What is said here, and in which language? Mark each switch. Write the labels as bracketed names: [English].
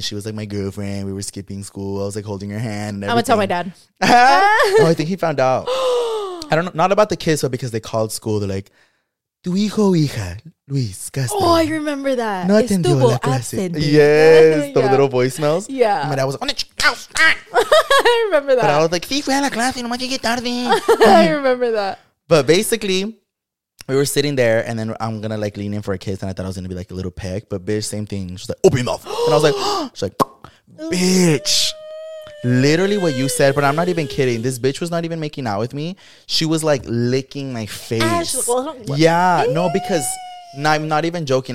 [English] She was like my girlfriend. We were skipping school. I was like holding her hand. I'm gonna tell my dad. Oh, I think he found out. I don't know. Not about the kids, but because they called school. They're like, [Spanish] tu hijo, hija, Luis, [English] Castro. Oh, I remember that. [Spanish] No atendió la clase. [English] Yes, the little voicemails. Yeah. And my dad was like, on the couch. I remember that. But I was like, [Spanish] sí, fui a la clase, no más llegué tarde. [English] I remember that. But basically, we were sitting there, and then I'm going to like lean in for a kiss, and I thought I was going to be like a little peck, but bitch, same thing. She's like, open your mouth. And I was like, she's like, bitch. Literally what you said, but I'm not even kidding. This bitch was not even making out with me. She was like licking my face. Ash, well, yeah, no, because I'm not even joking.